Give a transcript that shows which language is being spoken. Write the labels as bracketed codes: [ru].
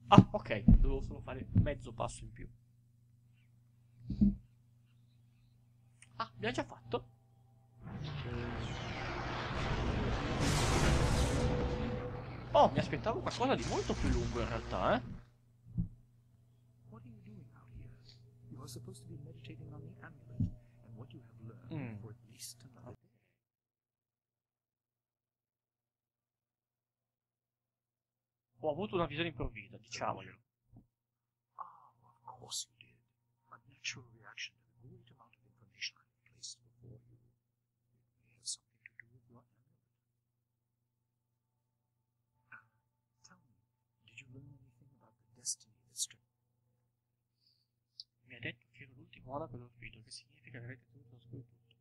[it] Ok, dovevo solo fare mezzo passo in più. Ah, l'ho già fatto. Oh, mi aspettavo qualcosa di molto più lungo in realtà, eh. [en] What are you doing out here? You are supposed to be meditating on the amulet and what you have learned for at least another day. [it] Ho avuto una visione improvvisa, diciamoglielo. Ah, oh, [en] of course you did. A natural reaction to the great amount of information I placed before you. It may have something to do with your amulet. Tell me, did you learn anything about the destiny of the strip? [it] Mi ha detto che ero l'ultimo monaco dello spirito, che significa che avete tenuto oscuro tutto.